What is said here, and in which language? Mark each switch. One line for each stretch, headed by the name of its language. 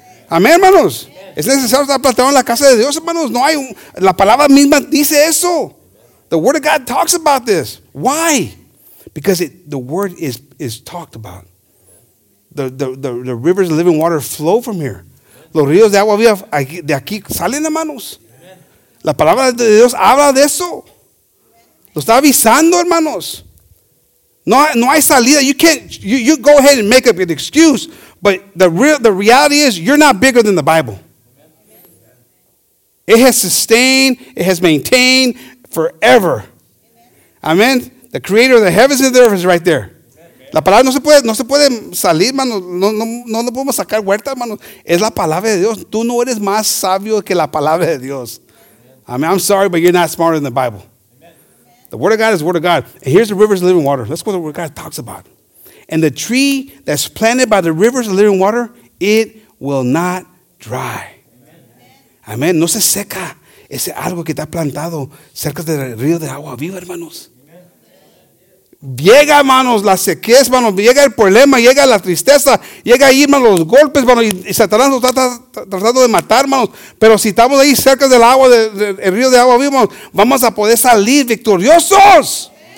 Spanish: Amén, hermanos. Es necesario estar plantado en la casa de Dios, hermanos. No hay la palabra misma dice eso.
English: The word of God talks about this. Why? Because the word is talked about. The rivers of living water flow from here.
Spanish: Los ríos de agua viva de aquí salen, hermanos. La palabra de Dios habla de eso. Lo está avisando, hermanos. No hay salida.
English: You can't. You go ahead and make up an excuse, but the reality is you're not bigger than the Bible. It has sustained, it has maintained forever. Amen. The creator of the heavens and the earth is right there.
Spanish: La palabra no se puede salir, hermano. No lo podemos sacar huerta, hermano. Es la palabra de Dios. Tú no eres más sabio que la palabra de Dios.
English: I mean, I'm sorry, but you're not smarter than the Bible. The word of God is the word of God. And here's the rivers of living water. Let's go to what God talks about. And the tree that's planted by the rivers of living water, it will not dry.
Spanish: Amen. Amen. Amen. No se seca. Ese algo que está plantado cerca del río de agua viva, hermanos. Llega, hermanos, la sequía, hermanos. Llega el problema, llega la tristeza. Llega ahí, hermanos, los golpes, hermanos. Y Satanás nos está tratando de matar, hermanos. Pero si estamos ahí cerca del agua, del río de agua, hermanos, vamos a poder salir victoriosos.